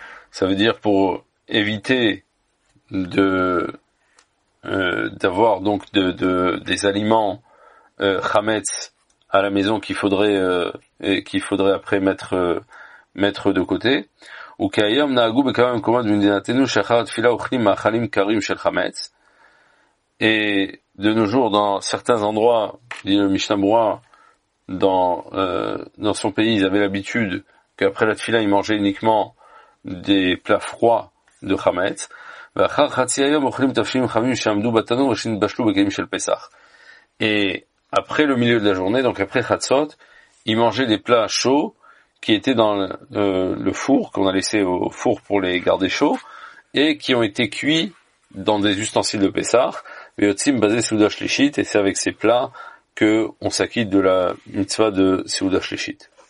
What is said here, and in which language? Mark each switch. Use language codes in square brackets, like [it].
[fr] Ça veut dire pour éviter d'avoir donc des aliments chametz à la maison qu'il faudrait après mettre de côté. [he] וכיום נהגו בכמה מקומות במדינתנו שאחר התפילה אוכלים מאכלים קרים של חמץ. [fr] Et de nos jours, dans certains endroits, dit le Mishnah Brura, dans son pays, ils avaient l'habitude qu'après la tefila, ils mangeaient uniquement des plats froids de chametz. [he] ואחר חצי היום אוכלים תפשים חמים שעמדו בתנור ושנתבשלו בכלים של פסח. [fr] Et après le milieu de la journée, donc après Chatzot, ils mangeaient des plats chauds qui étaient dans le four, qu'on a laissé au four pour les garder chauds, et qui ont été cuits dans des ustensiles de Pessah, [he] Veyotzim basé Seouda Shlishit, [fr] et c'est avec ces plats qu'on s'acquitte de la mitzvah de Seouda Shlishit.